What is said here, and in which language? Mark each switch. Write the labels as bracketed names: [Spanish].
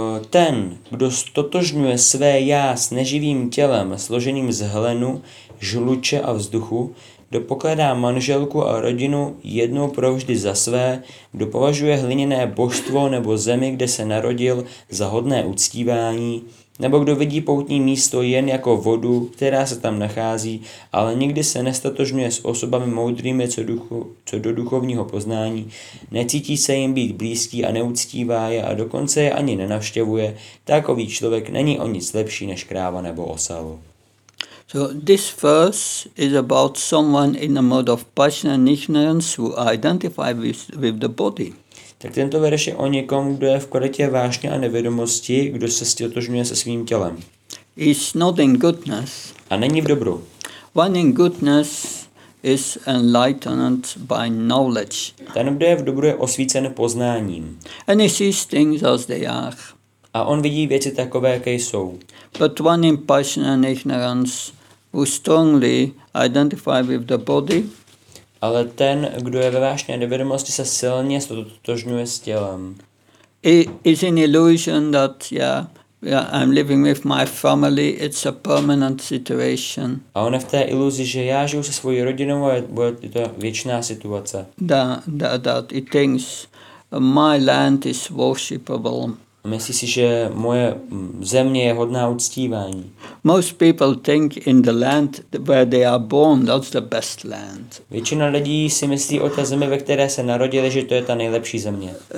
[Czech] Ten, kdo stotožňuje své já s neživým tělem, složeným z hlenu, žluče a vzduchu, kdo pokládá manželku a rodinu jednou provždy za své, kdo považuje hliněné božstvo nebo zemi, kde se narodil, za hodné uctívání, nebo kdo vidí poutní místo jen jako vodu, která se tam nachází, ale nikdy se nestotožňuje s osobami moudrými co do duchovního poznání, necítí se jim být blízký a neuctívá je a dokonce je ani nenavštěvuje, takový člověk není o nic lepší než kráva nebo osel. [English] So this verse is about someone in a mode of passion and ignorance who identify with the body. [Czech] Tak tento verš je o někom, kdo je v kvalitě vášně a nevědomosti, kdo se stotožňuje se svým tělem. [English] Is not in goodness. [Czech] A není v dobru. [English] One in goodness is enlightened by knowledge. [Czech] Ten, kdo je v dobru, je osvícen poznáním. [English] And he sees things as they are. [Czech] A on vidí věci takové, jaké jsou. [English] But one in passion and ignorance who strongly identify with the body. [Czech] Ale ten, kdo je ve vášně nevědomosti, se silně stotožňuje s tělem. [English] Is an illusion that I'm living with my family, it's a permanent situation. [Czech] A on je v té iluzi, že já žiju se svojí rodinou a je to věčná situace. [English] That it thinks my land is worshipable. [Czech] Myslíš si, že moje země je hodná uctívání? [English] Most people think in the land where they are born, that's the best land. [Czech] Většina lidí si myslí o té zemi, ve které se narodili, že to je ta nejlepší země.